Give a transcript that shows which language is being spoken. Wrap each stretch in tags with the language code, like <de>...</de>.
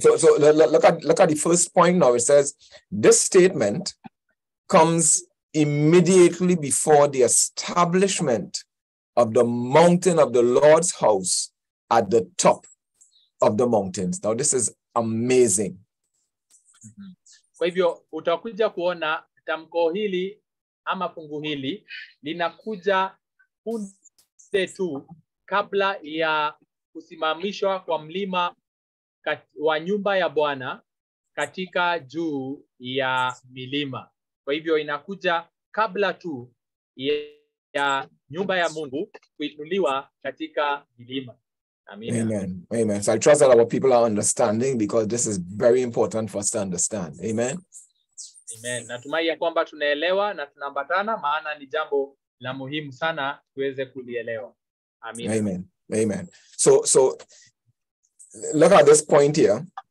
<en>So look at the first point now. It says this statement comes immediately before the establishment of the mountain of the Lord's house at the top of the mountains. Now this is amazing.</en> <sw>Kwa hivyo utakuja kuona tamko hili ama fungu hili linakuja punde tu kabla ya kusimamishwa kwa mlima wa nyumba ya Bwana katika juu ya milima. Kwa hivyo inakuja kabla tu ya nyumba ya Mungu kuinuliwa katika milima. Amen. Amen. Amen.</sw> <en>So I trust that our people are understanding because this is very important for us to understand. Amen.</en> <sw>Amen. Natumai ya kwamba tunaelewa na tunambatana, maana ni jambo la muhimu sana tuweze kulielewa. Amen. Amen. Amen.</sw> <en>So look at this point here.</en>